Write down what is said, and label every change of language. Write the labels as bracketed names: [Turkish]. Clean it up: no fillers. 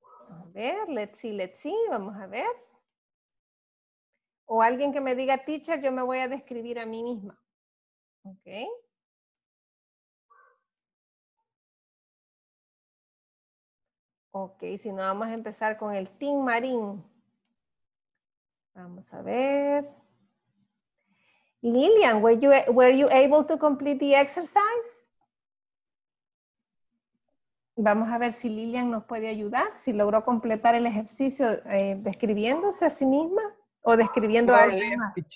[Spanish] A ver, [English] let's see, [Spanish] vamos a ver. O alguien que me diga, teacher, yo me voy a describir a mí misma. Ok. Ok, si no, vamos a empezar con el Team Marín. Vamos a ver. [English] Lilian, were you able to complete the exercise? [Spanish] Vamos a ver si Lilian nos puede ayudar, si logró completar el ejercicio describiéndose a sí misma o describiendo a alguien más.